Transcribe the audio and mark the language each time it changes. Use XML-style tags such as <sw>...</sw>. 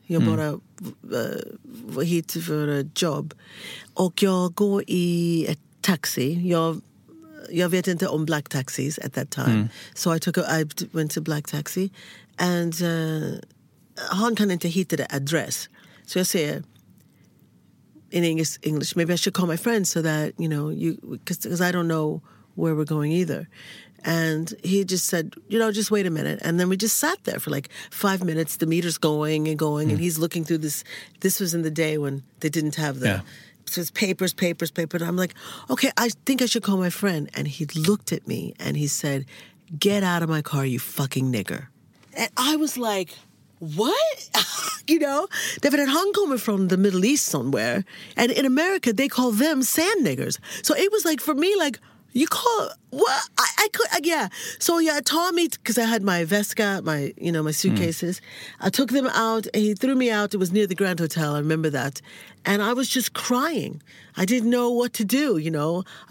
<sv>Jag bara var hit för ett jobb. Och jag går i ett taxi. Jag vet inte om</sv> <en>black taxis at that time. So I went to black taxi. And</en> <sv>han kan inte hitta det adress.</sv> <en>So</en> <sv>jag säger,</sv> <en>in English, maybe I should call my friend so that, you know, because I don't know where we're going either. And he just said, you know, just wait a minute. And then we just sat there for like 5 minutes. The meter's going and going. And he's looking through this. This was in the day when they didn't have the... Yeah. So it's papers. And I'm like, okay, I think I should call my friend. And he looked at me and he said, get out of my car, you fucking nigger. And I was like, what? You know?</en> <sv>Därför att han kommer</sv> <en>from the Middle East somewhere. And in America, they call them sand niggers. So it was like, for me, like, you call, what? I could, yeah. So yeah, I told me, because I had my Vesca, my, you know, my suitcases. I took them out and he threw me out. It was near the Grand Hotel. I remember that. And I was just crying. I didn't know what to do, you know.</en>